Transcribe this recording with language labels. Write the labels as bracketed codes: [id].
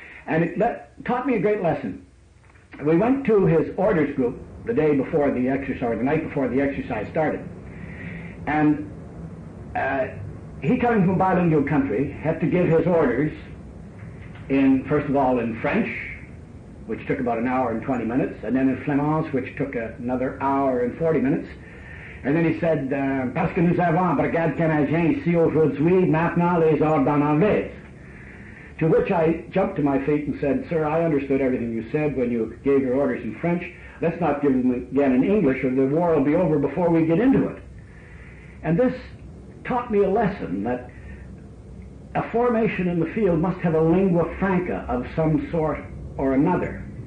[en] And it taught me a great lesson. We went to his orders group the day before the exercise, or the night before the exercise started. And he, coming from a bilingual country, had to give his orders in, first of all, in French, which took about an hour and 20 minutes, and then in Flemings, which took another hour and 40 minutes. And then he said, [fr] parce que nous avons brigade canadienne ici aujourd'hui, maintenant les ordres en anglais. [en] To which I jumped to my feet and said, sir, I understood everything you said when you gave your orders in French. Let's not give them again in English, or the war will be over before we get into it. And this taught me a lesson that a formation in the field must have a lingua franca of some sort or another.